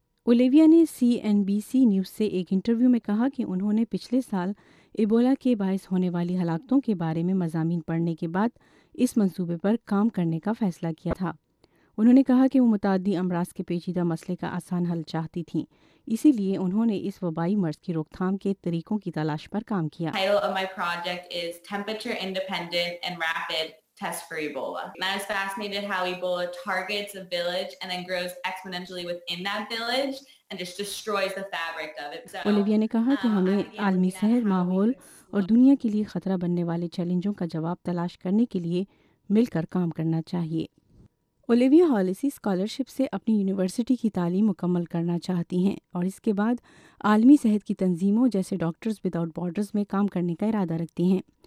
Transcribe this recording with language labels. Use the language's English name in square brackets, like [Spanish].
[Urdu] Olivia نے CNBC news سے ایک انٹرویو میں کہا کہ انہوں نے پچھلے سال ایبولا کے باعث ہونے والی ہلاکتوں کے بارے میں مضامین پڑھنے کے بعد اس منصوبے پر کام کرنے کا فیصلہ کیا تھا۔ انہوں نے کہا کہ وہ متعدی امراض کے پیچیدہ مسئلے کا آسان حل چاہتی تھیں، اسی لیے انہوں نے اس وبائی مرض کی روک تھام کے طریقوں کی تلاش پر کام کیا۔ [English] test for Ebola. And I was fascinated how Ebola targets a village and then grows exponentially within that village and just destroys the fabric of it. So, [Urdu] Olivia نے کہا کہ ہمیں عالمی صحت، ماحول اور دنیا کے لیے خطرہ بننے والے چیلنجوں کا جواب تلاش کرنے کے لیے مل کر کام کرنا چاہیے۔ اولیویا ہالیسی اسکالرشپ سے اپنی یونیورسٹی کی تعلیم مکمل کرنا چاہتی ہیں اور اس کے بعد عالمی صحت کی تنظیموں جیسے ڈاکٹرز ود آؤٹ بارڈرز میں کام کرنے کا ارادہ رکھتی ہیں۔